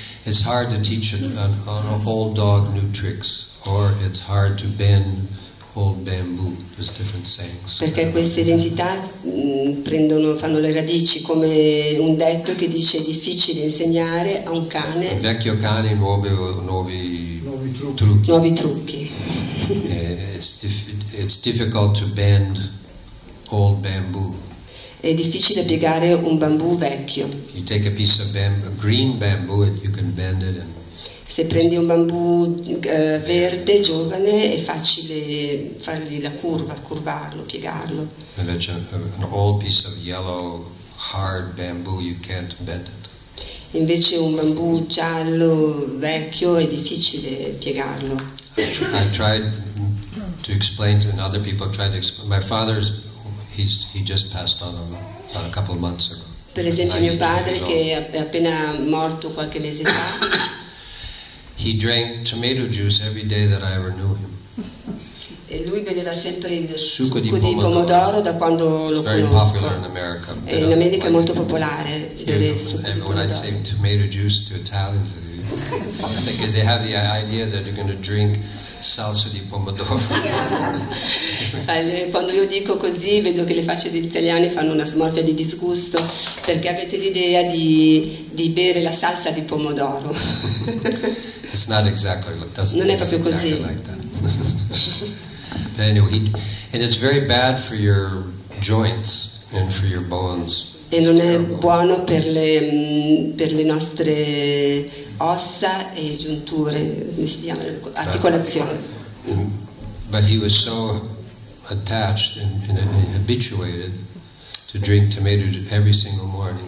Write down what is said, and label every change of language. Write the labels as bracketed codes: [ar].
[en] It's hard to teach an old dog new tricks, or it's hard to bend old bamboo. There's different sayings. [it] Perché queste identità prendono, fanno le radici, come un detto che dice è difficile insegnare a un cane. Un vecchio cane nuovi trucchi. Nuovi trucchi. [en] It's difficult to bend old bamboo. [it] È difficile piegare un bambù vecchio. [en] If you take a piece of bamboo, green bamboo, you can bend it. [it] Se prendi un bambù verde, giovane, è facile fargli la curva, curvarlo, piegarlo. Invece [en] an old piece of yellow, hard bamboo, you can't bend it. [it] Invece un bambù giallo, vecchio, è difficile piegarlo. [en] I tried to explain to another people, my father's, he just passed on about a couple of months ago. [it] Per esempio mio padre che è appena morto qualche mese fa. [en] He drank tomato juice every day that I ever knew him. [it] E lui beveva sempre il succo di pomodoro da quando lo conosco. [en] Very popular in America. [it] E in America è molto popolare bere il succo di pomodoro. [en] When I'd say tomato juice to Italians, because they have the idea that you're going to drink [it] salsa di pomodoro. Quando io dico così, vedo che le facce degli italiani fanno una smorfia di disgusto, perché avete l'idea di bere la salsa di pomodoro. [en] It's not exactly. [it] Non è proprio [en] exactly [it] così. [en] Like that. But anyway, and it's very bad for your joints and for your bones. [it] E non è buono per le nostre ossa e giunture, come si chiama, articolazioni. [en] But he was so attached and habituated to drink tomato every single morning.